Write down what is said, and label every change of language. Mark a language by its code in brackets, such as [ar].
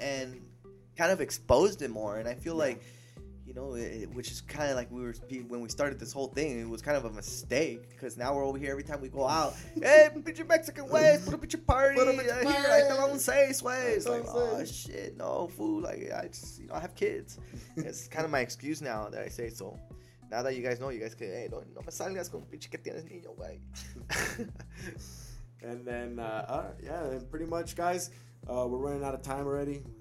[en] and kind of exposed it more. And I feel like... You know, which is kind of like we were when we started this whole thing. It was kind of a mistake because now we're over here every time we go out. Hey, put your Mexican ways, put up at your party. Put up at your party. Like, don't say sways. Like, oh shit, no food. Like, I just, you know, I have kids. It's kind of my excuse now that I say so. Now that you guys know, you guys can. [es] Hey, no me salgas con pinche que tienes niño, güey. [en] And then, and pretty much, guys. We're running out of time already.